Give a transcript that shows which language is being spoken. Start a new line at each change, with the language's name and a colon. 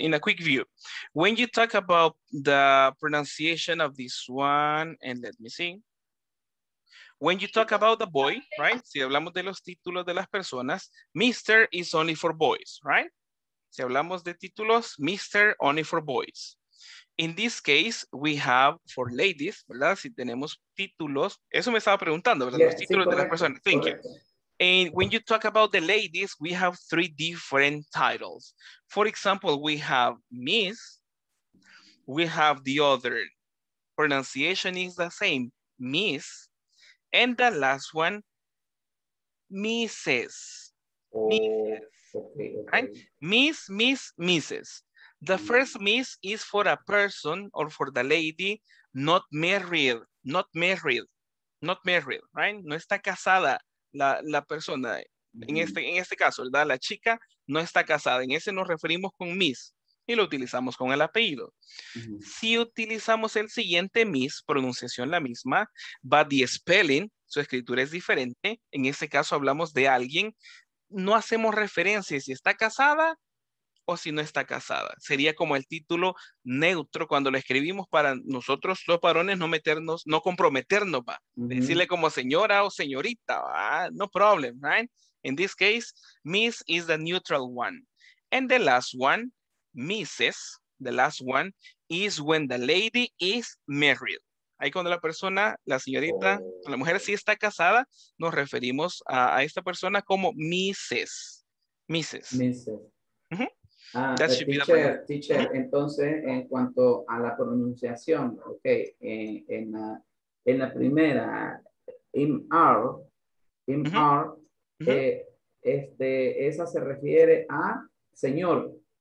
English: In a quick view, when you talk about the pronunciation of this one, and let me see. When you talk about the boy, right?
Spanish: Si hablamos de los títulos de las personas, Mr.
English: is only for boys, right?
Spanish: Si hablamos de títulos,
English: Mr. only for boys. In this case, we have for ladies, ¿verdad?
Spanish: Si tenemos títulos, eso me estaba preguntando, ¿verdad? Yes, los títulos de las personas.
English: Thank you. And when you talk about the ladies, we have three different titles. For example, we have Miss, we have the other. Pronunciation is the same, Miss. And the last one, Mrs. Oh, okay. Right? Miss, Mrs. The first miss is for a person or for the lady, not married, not married, not married, right?
Spanish: No está casada la persona. En este caso, ¿verdad? La chica no está casada. En ese nos referimos con miss y lo utilizamos con el apellido. Si utilizamos el siguiente miss, pronunciación la misma,
English: but the spelling,
Spanish: su escritura es diferente. En este caso hablamos de alguien. No hacemos referencia si está casada o si no está casada. Sería como el título neutro cuando lo escribimos para nosotros los varones no meternos, no comprometernos, va. Decirle como señora o señorita, va.
English: No problem, right? In this case, miss is the neutral one. And the last one, misses, the last one, is when the lady is married.
Spanish: Ahí cuando la persona, la señorita, la mujer sí está casada, nos referimos a esta persona como misses.
English: Misses. That should be the problem.
Spanish: Teacher, entonces, en cuanto a la pronunciación, ok, en la primera, in R, esa se refiere a señor.